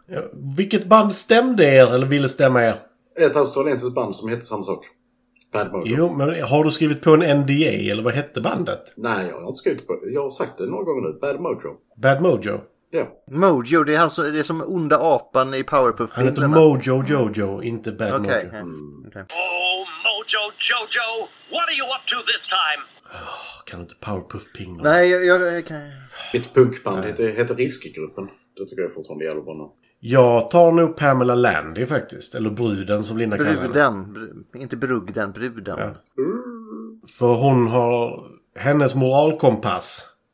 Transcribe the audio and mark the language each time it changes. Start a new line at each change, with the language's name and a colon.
Swedish: Ja, vilket band stämde er eller ville stämma er? Ett australiensiskt band som heter samma sak. Bad Mojo. Jo, men har du skrivit på en NDA eller vad hette bandet? Nej, jag har inte skrivit på. Jag har sagt det några gånger nu. Bad Mojo. Bad Mojo.
English: Yeah.
Swedish: Mojo, det är alltså, det är som onda apan i Powerpuff. Han heter Mojo Jojo, inte Bad Mojo. Okay.
English: Oh, Mojo Jojo, what are you up to this time?
Swedish: Kan du inte Powerpuff Pingla? Nej, jag kan. Mitt punkband heter Riskgruppen. Det tycker jag fortfarande gäller på. Jag tar nog Pamela Landy faktiskt. Eller bruden som Linda bruden. Kallar den. Inte brugden, bruden. Ja. För hon har hennes moralkompass.